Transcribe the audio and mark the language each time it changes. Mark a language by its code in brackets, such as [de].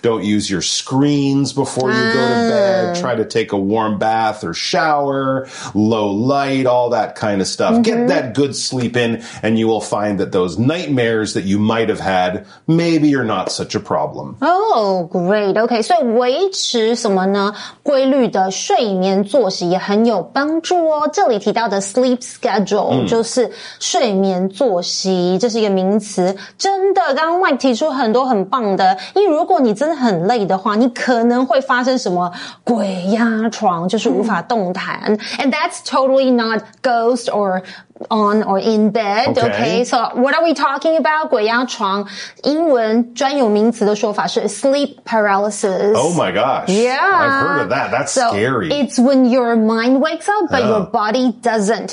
[en] Don't use your screens before you go to bed. Try to take a warm bath or shower, low light, all that kind of stuff. Mm-hmm. Get that good sleep in, and you will find that those nightmares that you might have had maybe are not such a problem. Oh, great. Okay, so [zh] 维持什么呢？规律的睡眠作息也很有帮助哦。这里提到的 sleep schedule 就是睡眠作息，这是一个名词。真的，刚刚 Mike 提出很多很棒的，因为如果你真的很累的话，你可能会发生什么鬼压床，就是无法动弹。 [en] And that's totally not ghost or on or in bed. Okay. So what are we talking about? [zh] 鬼压床，英文专有名词的说法是 [en] sleep paralysis. Oh my gosh. Yeah. I've heard of that. That's so scary. It's when your mind wakes up, but your body doesn't.